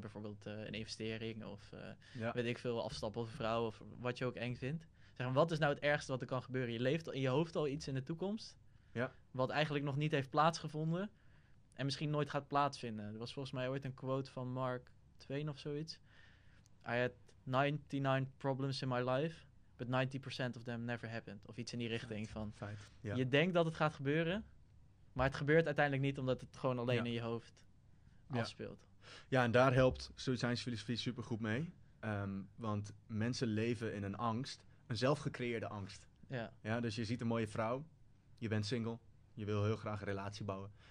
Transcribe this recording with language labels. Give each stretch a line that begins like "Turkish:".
Dutch: Bijvoorbeeld een investering of weet ik veel, afstappen of een vrouw of wat je ook eng vindt. Zeg maar, wat is nou het ergste wat er kan gebeuren? Je leeft in je hoofd al iets in de toekomst, wat eigenlijk nog niet heeft plaatsgevonden en misschien nooit gaat plaatsvinden. Er was volgens mij ooit een quote van Mark Twain of zoiets. Hij had
English: 99 problems in my life, but 90% of them never happened.
Dutch: Of iets in die richting van... Feit. Je denkt dat het gaat gebeuren, maar het gebeurt uiteindelijk niet, omdat het gewoon alleen in je hoofd afspeelt. Ja, en daar helpt Stoïcijnse filosofie super goed mee. Want mensen leven in een angst, een zelfgecreëerde angst. Ja. Ja, dus je ziet een mooie vrouw, je bent single, je wil heel graag een relatie bouwen.